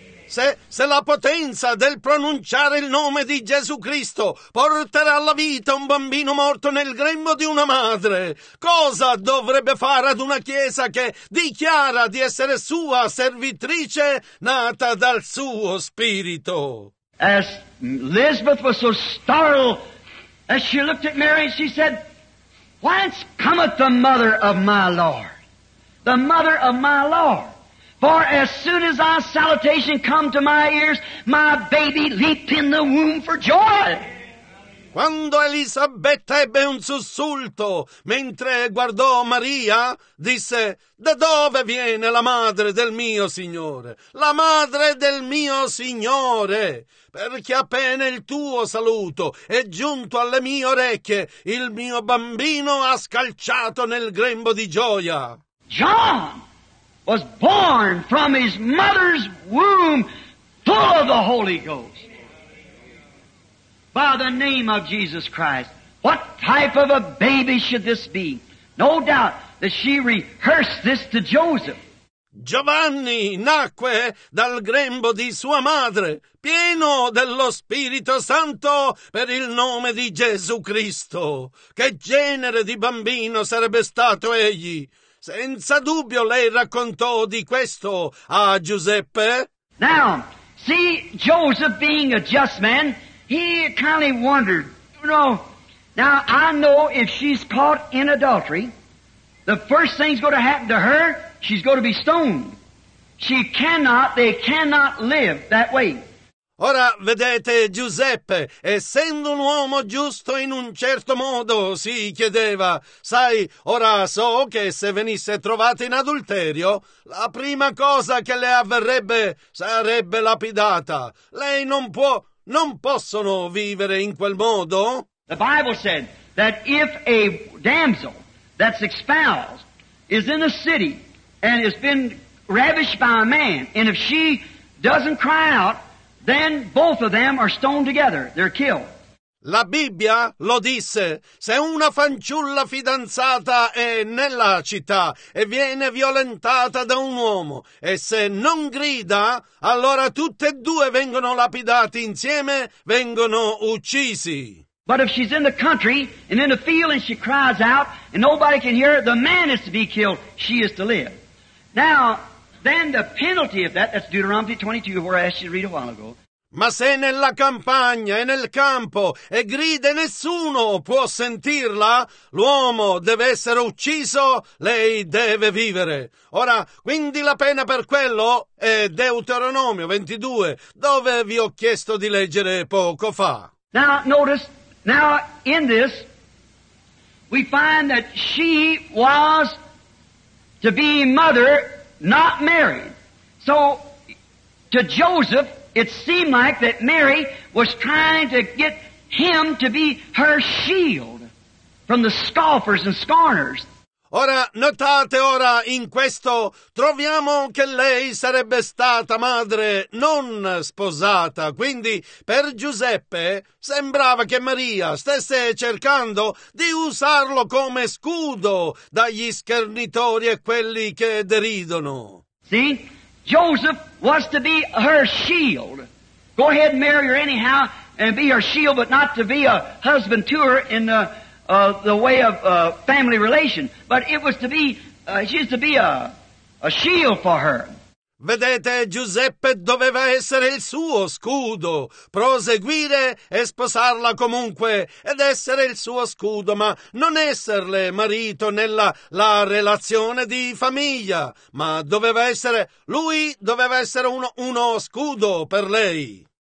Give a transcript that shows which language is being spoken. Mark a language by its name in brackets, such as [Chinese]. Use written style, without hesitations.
[Italian] Se la potenza del pronunciare il nome di Gesù Cristo porterà alla vita un bambino morto nel grembo di una madre, cosa dovrebbe fare ad una chiesa che dichiara di essere sua servitrice nata dal suo spirito? [English] As Elizabeth was so startled, as she looked at Mary, she said, "Whence cometh the mother of my Lord? The mother of my Lord? For as soon as thy salutation come to my ears, my baby leaped in the womb for joy." [Italian] Quando Elisabetta ebbe un sussulto, mentre guardò Maria, disse: «Da dove viene la madre del mio Signore? La madre del mio Signore! Perché appena il tuo saluto è giunto alle mie orecchie, il mio bambino ha scalciato nel grembo di gioia.» [English] John was born from his mother's womb full of the Holy Ghost. by the name of Jesus Christ. What type of a baby should this be? No doubt that she rehearsed this to Joseph. [Italian] Giovanni nacque dal grembo di sua madre, pieno dello Spirito Santo per il nome di Gesù Cristo. Che genere di bambino sarebbe stato egli? Senza dubbio lei raccontò di questo a Giuseppe. [English] Now, see, Joseph being a just man, he kind of wondered, you know, now I know if she's caught in adultery, the first thing's going to happen to her, she's going to be stoned. They cannot live that way. [Italian] Ora, vedete, Giuseppe, essendo un uomo giusto in un certo modo, si chiedeva, sai, ora so che se venisse trovata in adulterio, la prima cosa che le avverrebbe sarebbe lapidata. Lei non può, non possono vivere in quel modo? [English] The Bible said that if a damsel that's espoused is in a city and has been ravished by a man, and if she doesn't cry out, then both of them are stoned together. They're killed. [Italian] La Bibbia lo disse, se una fanciulla fidanzata è nella città e viene violentata da un uomo, e se non grida, allora tutte e due vengono lapidati insieme, vengono uccisi. [English] But if she's in the country and in the field and she cries out and nobody can hear her, the man is to be killed, she is to live. Now, then the penalty of that, that's Deuteronomy 22, where I asked you to read a while ago. [Italian] Ma se nella campagna e nel campo e grida nessuno può sentirla, l'uomo deve essere ucciso, lei deve vivere. Ora, quindi la pena per quello è Deuteronomio 22, dove vi ho chiesto di leggere poco fa. [English] Now, notice, now in this, we find that she was to be mother, not married. So, to Joseph, it seemed like that Mary was trying to get him to be her shield from the scoffers and scorners. [Italian] Ora, notate ora in questo, troviamo che lei sarebbe stata madre non sposata. Quindi, per Giuseppe, sembrava che Maria stesse cercando di usarlo come scudo dagli schernitori e quelli che deridono. [English] See? Joseph was to be her shield. Go ahead and marry her anyhow and be her shield, but not to be a husband to her in the way of family relation. But it was to be, she was to be a shield for her. [Italian] Vedete, Giuseppe doveva essere il suo scudo, proseguire e sposarla comunque, ed essere il suo scudo, ma non esserle marito nella la relazione di famiglia, ma doveva essere, lui doveva essere uno scudo per lei.